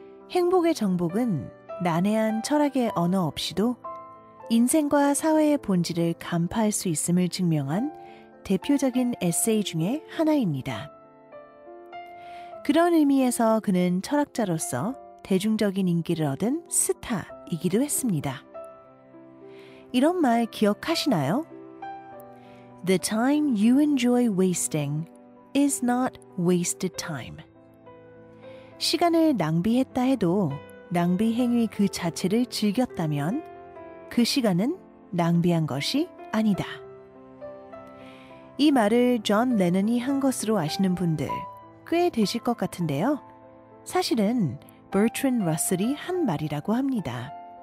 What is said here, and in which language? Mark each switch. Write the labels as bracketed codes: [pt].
[ko] 행복의 정복은 난해한 철학의 언어 없이도 인생과 사회의 본질을 간파할 수 있음을 증명한 대표적인 에세이 중에 하나입니다. 그런 의미에서 그는 철학자로서 대중적인 인기를 얻은 스타이기도 했습니다. 이런 말 기억하시나요? [en] The time you enjoy wasting is not wasted time. [ko] 시간을 낭비했다 해도 낭비 행위 그 자체를 즐겼다면 그 시간은 낭비한 것이 아니다. 이 말을 존 레논이 한 것으로 아시는 분들 꽤 되실 것 같은데요. 사실은 버트란 러셀이 한 말이라고 합니다.